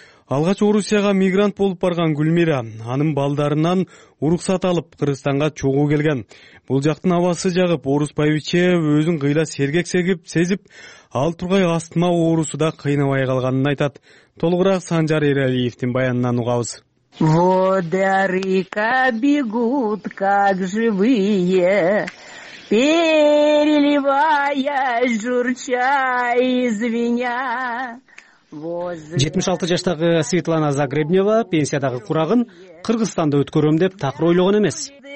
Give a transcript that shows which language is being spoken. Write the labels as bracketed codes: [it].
[ky] Алгач Орусияга мигрант болуп барган Гүлмира анын балдарынан уруксат алып Кыргызстанга чогуу келген. Бул жактын абасы жагып, орус байбиче өзүн кыйла сергек сегип сезип, ал тургай астма оорусу да кыйнабай калганын айтат. Толугураак Санжар Эралиевдин баянынан угабыз. [ru] Водорыка бегут, как живые, переливаясь, журча из меня. [ky] 76 жаштагы Светлана Загребнева пенсиядагы курагын Кыргызстанда өткөрөм деп такыр ойлогон эмес.